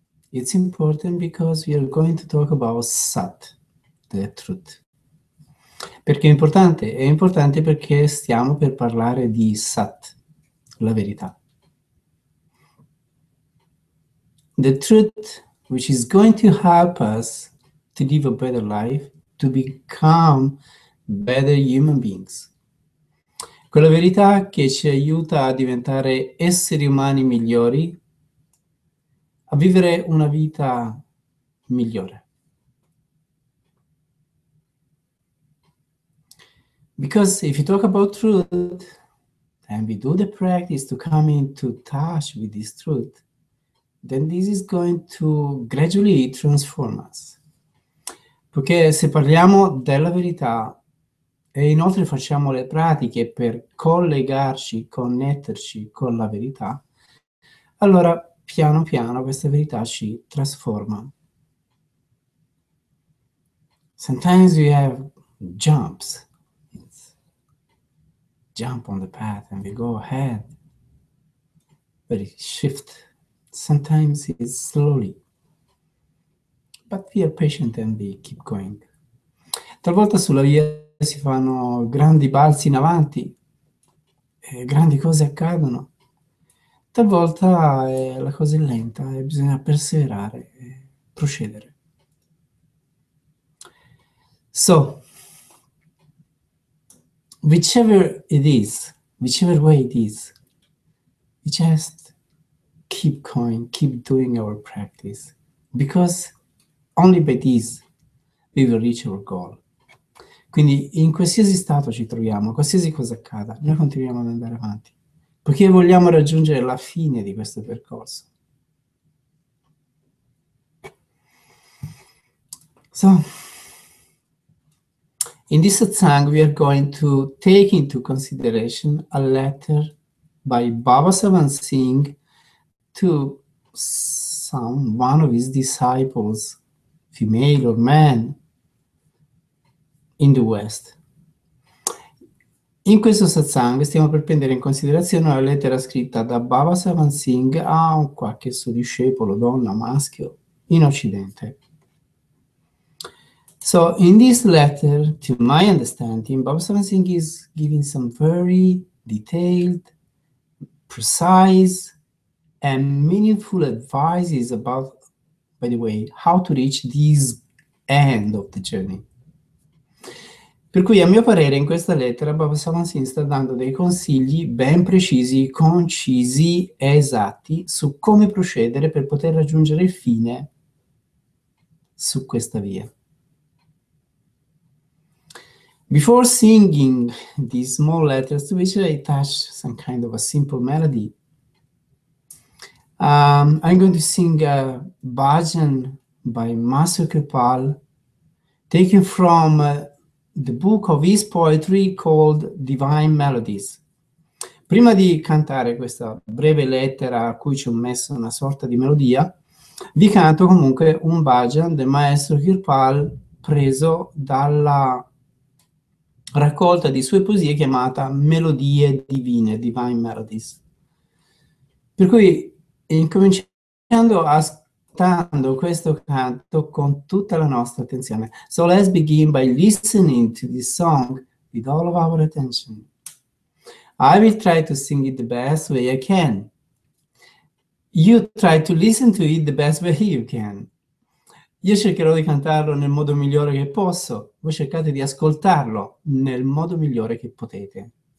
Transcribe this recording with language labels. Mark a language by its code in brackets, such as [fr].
[en] It's important because we are going to talk about sat, the truth. [it] Perché è importante? È importante perché stiamo per parlare di sat, la verità. [en] The truth which is going to help us to live a better life, to become better human beings. [it] Quella verità che ci aiuta a diventare esseri umani migliori, a vivere una vita migliore. [en] Because if you talk about truth and we do the practice to come into touch with this truth, then this is going to gradually transform us. [it] Perché se parliamo della verità e inoltre facciamo le pratiche per collegarci, connetterci con la verità, allora piano piano questa verità ci trasforma. [en] Sometimes we have jumps. It's jump on the path and we go ahead. But it shifts. Sometimes it's slowly. But we are patient and we keep going. [it] Talvolta sulla via si fanno grandi balzi in avanti, grandi cose accadono. Talvolta la cosa è lenta e bisogna perseverare e procedere. [en] So, whichever it is, whichever way it is, we just keep going, keep doing our practice, because only by this we will reach our goal. [it] Quindi in qualsiasi stato ci troviamo, qualsiasi cosa accada, noi continuiamo ad andare avanti. Perché vogliamo raggiungere la fine di questo percorso. [en] So, in this satsang we are going to take into consideration a letter by Baba Sawan Singh to one of his disciples, female or man, in the West. [it] In questo satsang stiamo per prendere in considerazione una lettera scritta da Baba Sawan Singh a un qualche suo discepolo, donna, maschio, in Occidente. [en] So, in this letter, to my understanding, Baba Sawan Singh is giving some very detailed, precise, and meaningful advices about, by the way, how to reach this end of the journey. [it] Per cui, a mio parere, in questa lettera, Baba Sawan Singh sta dando dei consigli ben precisi, concisi e esatti su come procedere per poter raggiungere il fine su questa via. [en] Before singing these small letters, to which I touch some kind of a simple melody, I'm going to sing a bhajan by Master Kripal, taken from the book of his poetry called Divine Melodies. [it] Prima di cantare questa breve lettera a cui ci ho messo una sorta di melodia, vi canto comunque un bhajan del maestro Kirpal preso dalla raccolta di sue poesie chiamata Melodie Divine, Divine Melodies. Per cui, incominciando a ascoltando questo canto con tutta la nostra attenzione. [en] So let's begin by listening to this song with all of our attention. I will try to sing it the best way I can. You try to listen to it the best way you can. [it] Io cercherò di cantarlo nel modo migliore che posso. Voi cercate di ascoltarlo nel modo migliore che potete.